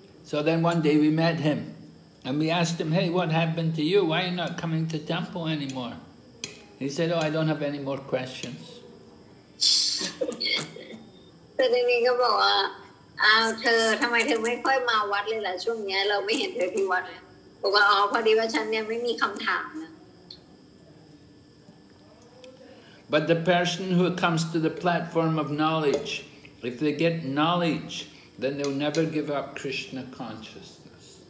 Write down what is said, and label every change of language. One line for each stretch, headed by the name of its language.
English: So then one day we met him and we asked him hey what happened to you why are you not coming to temple anymore he said oh I don't have any more questions
Thai: แต่ทีนี้ก็บอกว่าอ้าวเธอทำไมเธอไม่ค่อยมาวัดเลยล่ะช่วงนี้เราไม่เห็นเธอที่วัดบอกว่าอ๋อพอดีว่าฉันเนี่ยไม่มีคำถาม
English: But the person who comes to the platform of knowledge, if they get knowledge, then they'll never give up Krishna consciousness.